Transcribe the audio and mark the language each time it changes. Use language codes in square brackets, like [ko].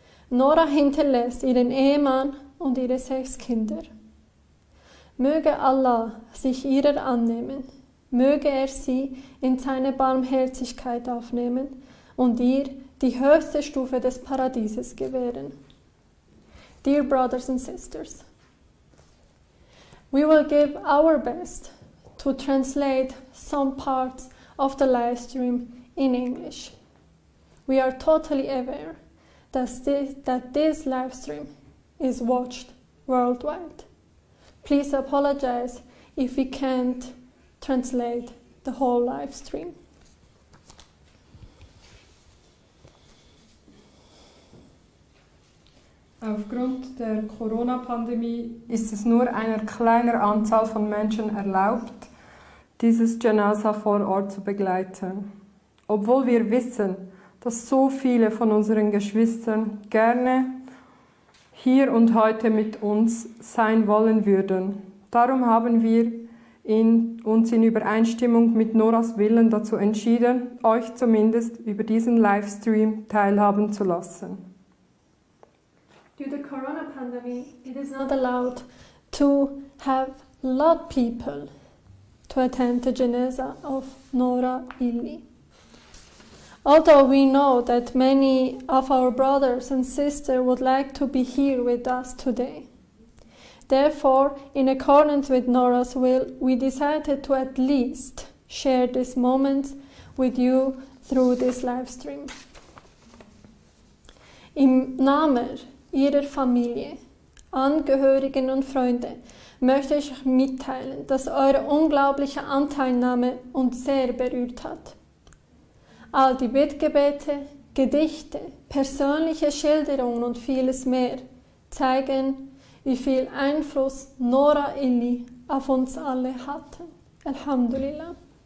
[de] Nora hinterlässt ihren Ehemann und ihre 6 Kinder. Möge Allah sich ihrer annehmen, möge er sie in seine Barmherzigkeit aufnehmen und ihr die höchste Stufe des Paradieses gewähren. [en] Dear brothers and sisters, we will give our best to translate some parts of the live stream in English. We are totally aware that this live stream is watched worldwide. Please apologize if we can't translate the whole live stream. [de] Aufgrund der Corona-Pandemie ist es nur einer kleinen Anzahl von Menschen erlaubt, dieses Janaza vor Ort zu begleiten. Obwohl wir wissen, dass so viele von unseren Geschwistern gerne hier und heute mit uns sein wollen würden. Darum haben wir uns in Übereinstimmung mit Noras Willen dazu entschieden, euch zumindest über diesen Livestream teilhaben zu lassen. [en] Due to the Corona pandemic, it is not allowed to have a lot of people to attend the Janaza of Nora Ili. Although we know that many of our brothers and sisters would like to be here with us today. Therefore, in accordance with Nora's will, we decided to at least share this moment with you through this live stream. [de] Im Namen Ihrer Familie, Angehörigen und Freunde möchte ich euch mitteilen, dass eure unglaubliche Anteilnahme uns sehr berührt hat. All die Bittgebete, Gedichte, persönliche Schilderungen und vieles mehr zeigen, wie viel Einfluss Nora Illi auf uns alle hatte. Alhamdulillah.